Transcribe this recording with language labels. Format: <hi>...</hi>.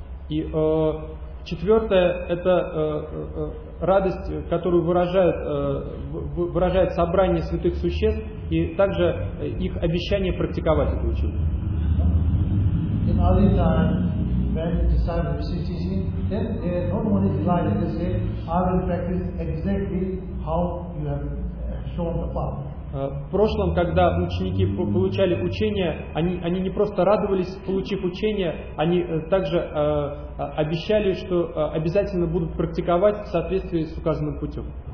<ru>И четвертое это радость, которую выражает собрание святых существ и также их обещание практиковать это учение.</ru> <en>In early time, when disciples receive teaching, then they not only delight, they say, "I will practice exactly how you have."</en> <ru>В прошлом, когда ученики получали учение, они не просто радовались, получив учение, они также обещали, что обязательно будут практиковать в соответствии с указанным путем.</ru>